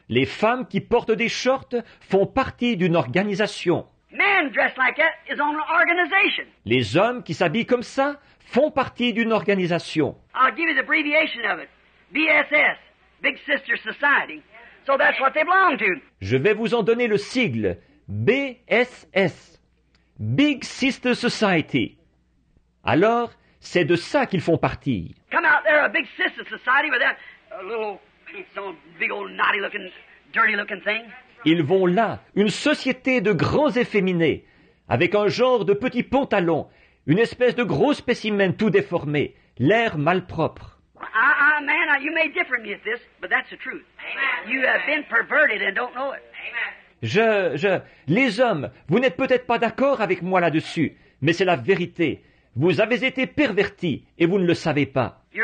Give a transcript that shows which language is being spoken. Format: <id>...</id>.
<fr>Les femmes qui portent des shorts font partie d'une organisation.</fr> <en>Men dressed like that is on an organization.</en> <fr>Les hommes qui s'habillent comme ça font partie d'une organisation.</fr> <en>I'll give you the abbreviation of it. BSS, Big Sister Society. So that's what they belong to.</en> <fr>Je vais vous en donner le sigle. BSS, Big Sister Society. Alors, c'est de ça qu'ils font partie.</fr> <en>Come out there, a big sister society with that little, some big old naughty looking, dirty looking thing.</en> <fr>Ils vont là, une société de grands efféminés, avec un genre de petit pantalon, une espèce de gros spécimen tout déformé, l'air malpropre.</fr> <en>Man, you may differ from me at this, but that's the truth. Amen. You have been perverted and don't know it. Amen.</en> <fr>Les hommes, vous n'êtes peut-être pas d'accord avec moi là-dessus, mais c'est la vérité. Vous avez été perverti et vous ne le savez pas.</fr>